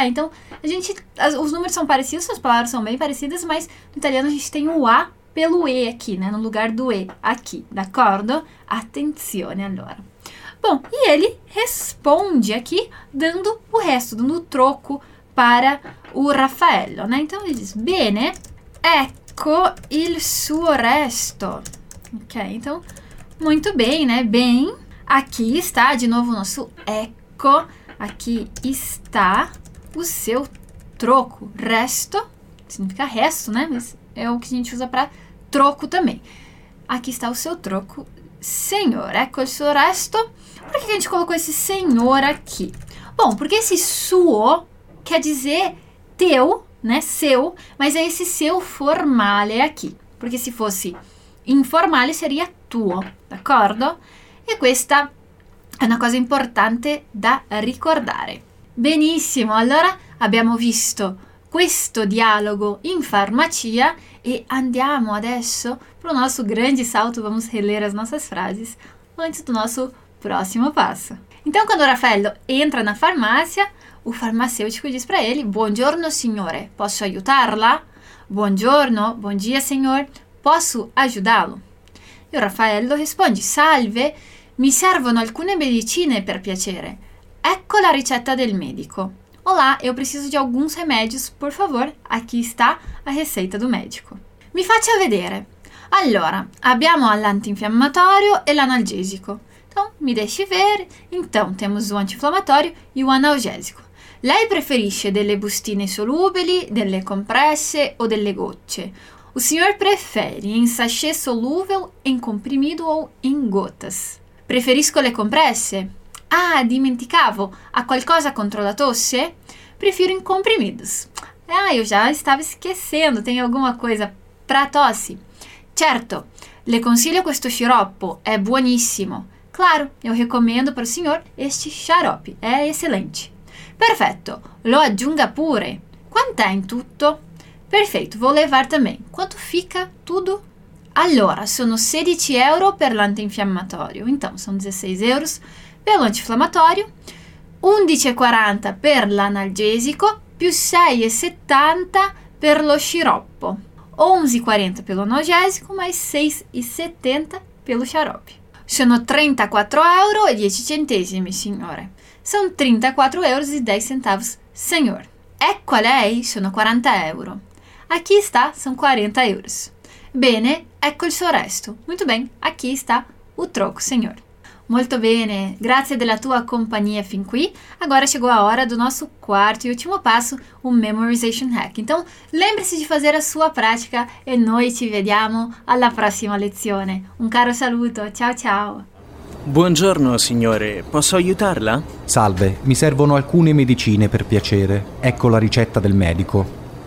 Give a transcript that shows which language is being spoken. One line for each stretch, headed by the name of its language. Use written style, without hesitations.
Portuguese: Então, a gente, os números são parecidos, as palavras são bem parecidas, mas no italiano a gente tem o A pelo E aqui, né? No lugar do E, aqui,
Italian: d'accordo? Attenzione, allora.
Portuguese: Bom, e ele responde aqui dando o resto, dando o troco para o Raffaello, né? Então, ele diz,
Italian: bene, ecco il suo resto.
Portuguese: Ok, então, muito bem, né? Bem, aqui está de novo o nosso ecco, aqui está o seu troco. Resto, significa resto, né? Mas é o que a gente usa para troco também. Aqui está o seu troco, senhor,
Italian: ecco il suo resto.
Portuguese: Por que a gente colocou esse senhor aqui? Bom, porque esse suo quer dizer teu, né, seu, mas é esse seu formale aqui. Porque se fosse informale seria tuo, d'accordo?
Italian: E questa è una cosa importante da ricordare. Benissimo, allora abbiamo visto questo dialogo in farmacia e andiamo adesso
Portuguese: pro nosso grande salto, vamos reler as nossas frases antes do nosso próximo passo. Então, quando o Raffaello entra na farmácia, o farmacêutico diz para ele,
Italian: buongiorno, signore, posso aiutarla?
Portuguese: Buongiorno, bom dia, senhor, posso ajudá-lo? E o Raffaello responde,
Italian: salve, mi servono alcune medicine per piacere. Ecco la ricetta del medico.
Portuguese: Olá, eu preciso de alguns remédios, por favor, aqui está a receita do médico.
Italian: Mi faccia vedere. Allora, abbiamo l'antinfiammatorio e l'analgesico.
Portuguese: Então, mi deixe ver. Então, temos o anti-inflamatório e o analgésico.
Italian: Lei preferisce delle bustine solubili, delle compresse ou delle gocce?
Portuguese: O senhor prefere em sachê solúvel, em comprimido ou em gotas?
Italian: Preferisco le compresse? Ah, dimenticavo. Há qualcosa contro la tosse?
Portuguese: Prefiro em comprimidos. Ah, eu já estava esquecendo. Tem alguma coisa para tosse?
Italian: Certo. Le consiglio questo sciroppo. È buonissimo.
Portuguese: Claro, eu recomendo para o senhor este xarope. É excelente. Perfeito.
Italian: Lo aggiunga pure. Quanto é em tutto?
Portuguese: Perfeito, vou levar também. Quanto fica tudo?
Italian: Allora, sono 16 euro per l'antinfiammatorio.
Portuguese: Então, são 16 euros pelo antinfiammatorio.
Italian: 11,40 per l'analgesico. Più 6,70 per lo sciroppo.
Portuguese: 11,40 pelo analgésico, mais 6,70 pelo xarope.
Italian: Sono 34 euro e 10 centesimi, signore.
Portuguese: São 34 euros e 10 centavos, senhor.
Italian: Ecco a lei, sono 40 euro.
Portuguese: Aqui está, são 40 euros.
Italian: Bene, ecco il suo resto.
Portuguese: Muito bem, aqui está o troco, senhor.
Italian: Molto bene, grazie della tua compagnia fin qui.
Portuguese: Agora chegou a hora do nosso quarto e último passo, o memorization hack. Então, lembre-se de fazer a sua prática e
Italian: noi ci vediamo alla prossima lezione. Un caro saluto, ciao ciao. Buongiorno, signore, posso aiutarla? Salve, mi servono alcune medicine per piacere. Ecco la ricetta del medico.